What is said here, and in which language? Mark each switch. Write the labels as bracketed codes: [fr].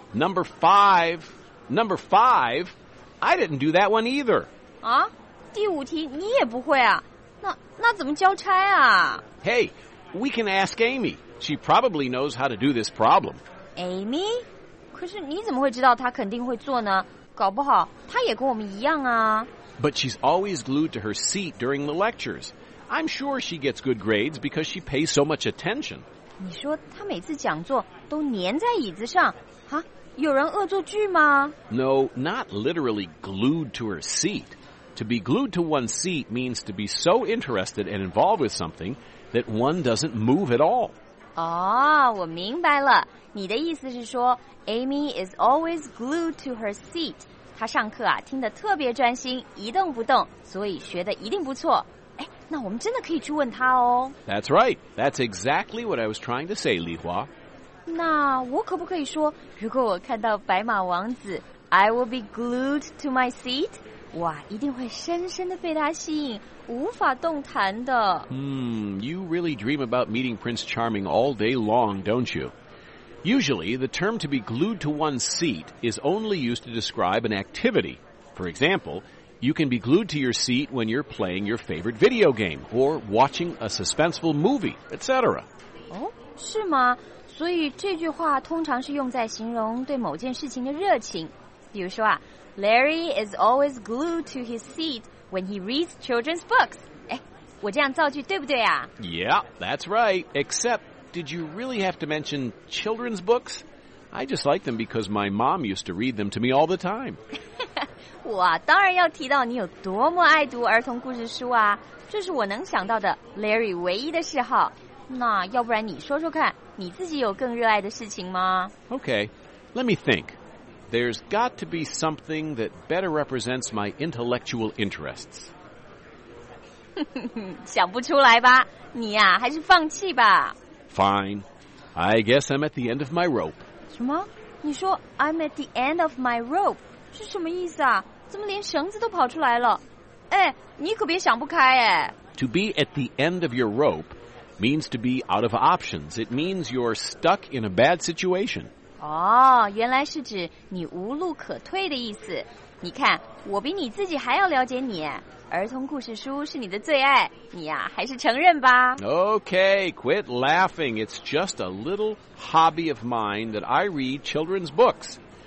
[en] Number five, I didn't do that one either. [zh] 啊？第五题你也不会啊？那怎么交差啊？ [en] Hey, we can ask Amy. She probably knows how to do this problem. Amy? [zh] 可是你怎么会知道她肯定会做呢？搞不好她也跟我们一样啊。 [en] But she's always glued to her seat during the lectures. I'm sure she gets good grades because she pays so much attention. [zh] 你说她每次讲座都粘在椅子上，啊？有人恶作剧吗？ [en] No, not literally glued to her seat. To be glued to one's seat means to be so interested and involved with something that one doesn't move at all. [zh] 哦，我明白了。你的意思是说 [en] Amy is always glued to her seat. [zh] 他上课啊，听得特别专心，一动不动，所以学得一定不错。哎，那我们真的可以去问他哦。 [en] That's right. That's exactly what I was trying to say, 李华。 [zh] 那我可不可以说，如果我看到白马王子 ， [en] I will be glued to my seat， [zh] 哇，一定会深深地被他吸引，无法动弹的。 [en] You really dream about meeting Prince Charming all day long, don't you? Usually, the term to be glued to one's seat is only used to describe an activity. For example, you can be glued to your seat when you're playing your favorite video game or watching a suspenseful movie, etc. [zh] 哦，是吗？所以这句话通常是用在形容对某件事情的热情。比如说啊， [en] Larry is always glued to his seat when he reads children's books. [zh] 哎，我这样造句对不对啊？ [en] Yeah, that's right, except... Did you really have to mention children's books? I just like them because my mom used to read them to me all the time. [zh] 我当然要提到你有多么爱读儿童故事书啊！这是我能想到的 Larry 唯一的嗜好。那要不然你说说看，你自己有更热爱的事情吗？ [en] Okay, let me think. There's got to be something that better represents my intellectual interests. [zh] 想不出来吧？你呀，还是放弃吧。 [en] Fine. I guess I'm at the end of my rope. [zh] 什么？你说 [en] I'm at the end of my rope [zh] 是什么意思啊？怎么连绳子都跑出来了？哎，你可别想不开哎。 [en] To be at the end of your rope means to be out of options. It means you're stuck in a bad situation. [zh] 哦，原来是指你无路可退的意思。你看，我比你自己还要了解你。儿童故事书是你的最爱，你呀，还是承认吧。 [en] Okay, quit laughing. It's just a little hobby of mine that I read children's books.